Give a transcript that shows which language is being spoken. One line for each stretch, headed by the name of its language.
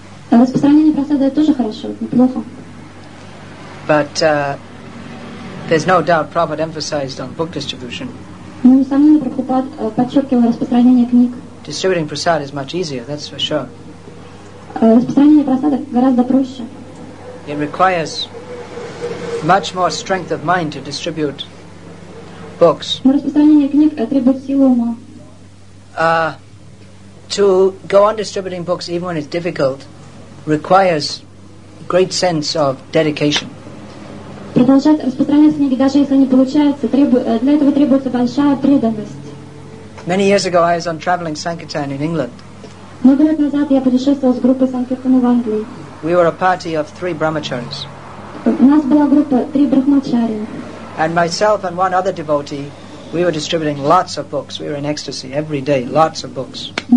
Russian: Распространение прасада тоже хорошо, неплохо.
English: But there's no doubt Prabhupada emphasized on book distribution.
Russian: Но несомненно, Прабхупад подчеркивал распространение книг.
English: Distributing prasad is much easier, that's for sure.
Russian: Распространение прасада гораздо проще.
English: It requires much more strength of mind to distribute books.
Russian: Но распространение книг требует силы ума.
English: To go on distributing books, even when it's difficult, requires great sense of dedication.
Russian: Продолжать распространять книги, даже если не получается, для этого требуется большая преданность.
English: Many years ago, I was on traveling Sankirtan in England.
Russian: Много лет назад я путешествовал с группой Санкиртана в Англии.
English: We were a party of three brahmacharis.
Russian: У нас была группа три брахмачари.
English: And myself and one other devotee. We were distributing lots of books. We were in ecstasy every day, lots of books.